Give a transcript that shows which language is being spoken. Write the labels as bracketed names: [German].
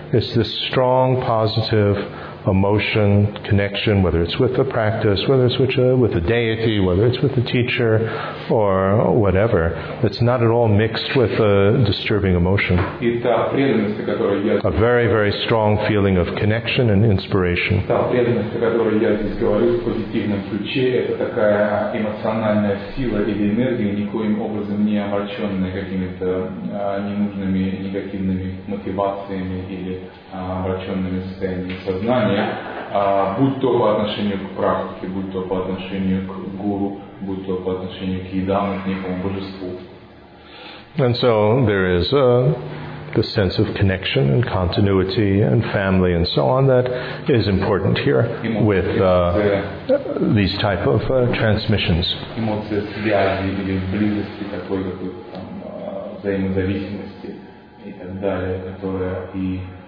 [English] It's this strong, positive emotion, connection, whether it's with the practice, whether it's with the deity, whether it's with the teacher, or whatever. It's not at all mixed with a disturbing emotion. A very, very strong feeling of connection and inspiration. [Russian] Та преданность, о которой я здесь говорю, в позитивном ключе, это такая эмоциональная сила или энергия, никоим образом не омраченная какими-то ненужными негативными мотивациями или омраченными состояниями сознания. Будь то по отношению к практике, будь то по отношению к гуру, будь то по отношению к едам, к некому божеству. [English] And so there is the sense of connection and continuity and family and so on that is important here with these type of transmissions. [Russian] Эмоция связи или близости такой какой-то там взаимозависимости и так далее, которая и